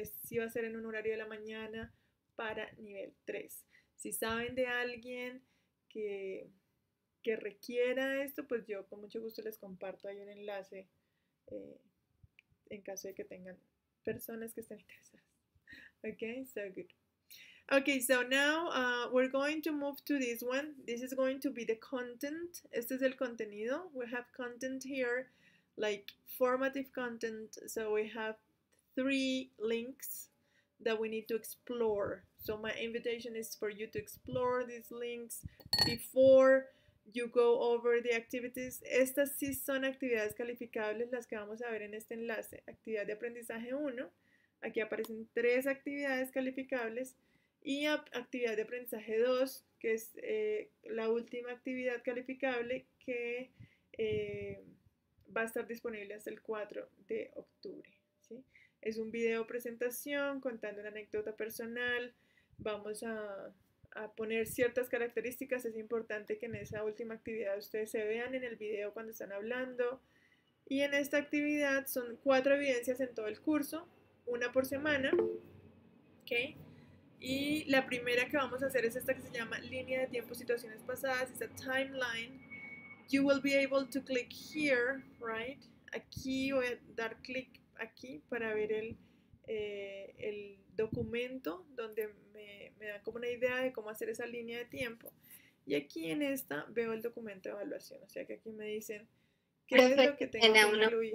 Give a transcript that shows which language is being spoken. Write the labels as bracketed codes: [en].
[es] Sí va a ser en un horario de la mañana para nivel 3. Si saben de alguien que requiera esto, pues yo con mucho gusto les comparto ahí un enlace en caso de que tengan personas que estén interesadas. [en] Okay, so good. Okay, so now we're going to move to this one. This is going to be the content. [es] Este es el contenido. [en] We have content here. Like formative content, so we have 3 links that we need to explore. So my invitation is for you to explore these links before you go over the activities. [es] Estas sí son actividades calificables las que vamos a ver en este enlace. Actividad de aprendizaje 1. Aquí aparecen 3 actividades calificables. Y actividad de aprendizaje 2, que es la última actividad calificable que... va a estar disponible hasta el 4 de octubre, ¿sí? Es un video presentación contando una anécdota personal. Vamos a poner ciertas características. Es importante que en esa última actividad ustedes se vean en el video cuando están hablando. Y en esta actividad son 4 evidencias en todo el curso, una por semana, ¿okay? Y la primera que vamos a hacer es esta que se llama línea de tiempo situaciones pasadas. [en] Es a timeline. You will be able to click here, right? [es] Aquí voy a dar clic aquí para ver el documento donde me da como una idea de cómo hacer esa línea de tiempo. Y aquí en esta veo el documento de evaluación. O sea que aquí me dicen qué es lo que tengo que incluir.